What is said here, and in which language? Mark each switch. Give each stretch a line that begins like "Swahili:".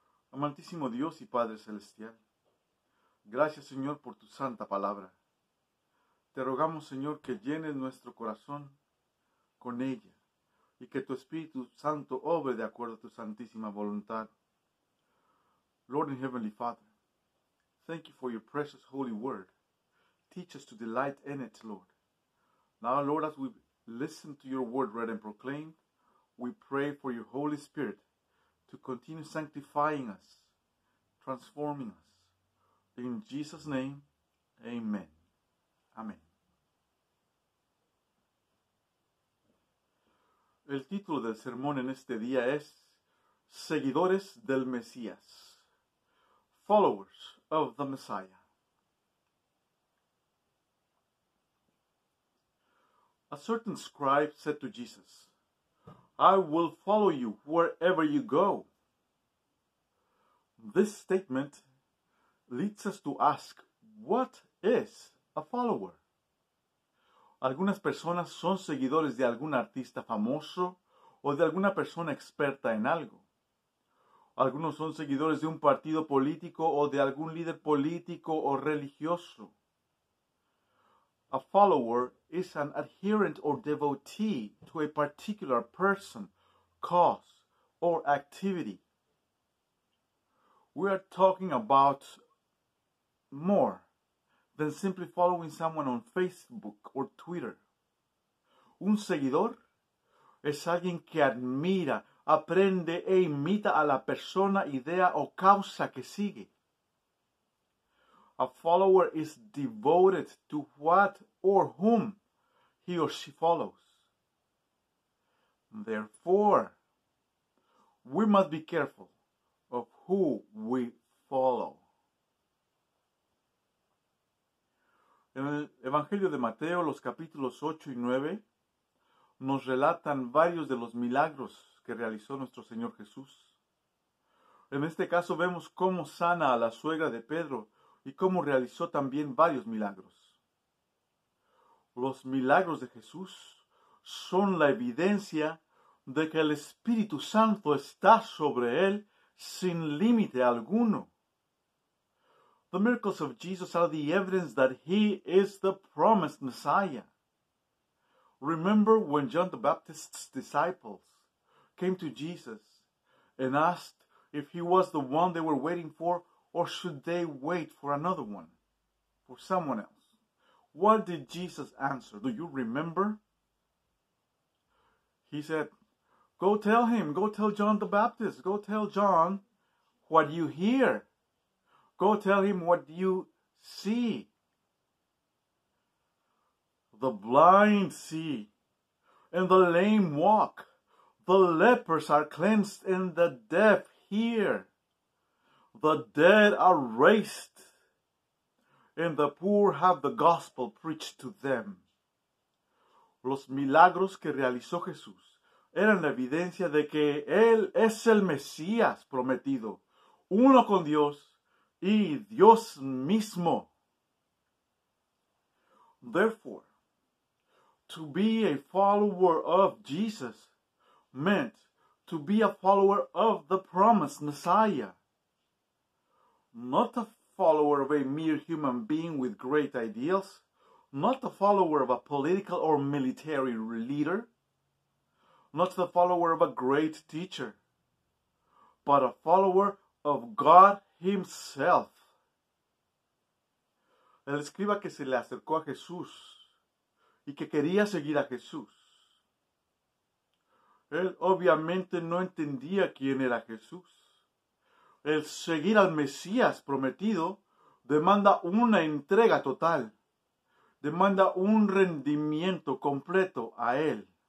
Spanish: Amantísimo Dios y Padre Celestial, gracias Señor por tu santa palabra. Te rogamos Señor que llenes nuestro corazón con ella y que tu Espíritu Santo obre de acuerdo a tu santísima voluntad.
English: Lord and Heavenly Father, thank you for your precious holy word. Teach us to delight in it, Lord. Now, Lord, as we listen to your word read and proclaimed, we pray for your Holy Spirit to continue sanctifying us, transforming us. In Jesus' name, amen. Amen.
Spanish: El título del sermón en este día es Seguidores del Mesías,
English: Followers of the Messiah. A certain scribe said to Jesus, I will follow you wherever you go. This statement leads us to ask, what is a follower?
Spanish: Algunas personas son seguidores de algún artista famoso o de alguna persona experta en algo. Algunos son seguidores de un partido político o de algún líder político o religioso.
English: A follower is an adherent or devotee to a particular person, cause, or activity. We are talking about more than simply following someone on Facebook or Twitter.
Spanish: Un seguidor es alguien que admira, aprende e imita a la persona, idea o causa que sigue.
English: A follower is devoted to what or whom he or she follows. Therefore, we must be careful of who we follow.
Spanish: En el Evangelio de Mateo, los capítulos 8 y 9, nos relatan varios de los milagros que realizó nuestro Señor Jesús. En este caso vemos cómo sana a la suegra de Pedro y cómo realizó también varios milagros. Los milagros de Jesús son la evidencia de que el Espíritu Santo está sobre él sin límite alguno.
English: The miracles of Jesus are the evidence that he is the promised Messiah. Remember when John the Baptist's disciples came to Jesus and asked if he was the one they were waiting for, or should they wait for another one, for someone else? What did Jesus answer? Do you remember? He said, go tell him, go tell John the Baptist, go tell John what you hear. Go tell him what you see. The blind see, and the lame walk. The lepers are cleansed, and the deaf hear. The dead are raised, and the poor have the gospel preached to them.
Spanish: Los milagros que realizó Jesús eran la evidencia de que Él es el Mesías prometido, uno con Dios y Dios mismo.
English: Therefore, to be a follower of Jesus meant to be a follower of the promised Messiah, not a follower of a mere human being with great ideals, not a follower of a political or military leader, not the follower of a great teacher, but a follower of God himself.
Spanish: El escriba que se le acercó a Jesús y que quería seguir a Jesús, él obviamente no entendía quién era Jesús. El seguir al Mesías prometido demanda una entrega total, demanda un rendimiento completo a él.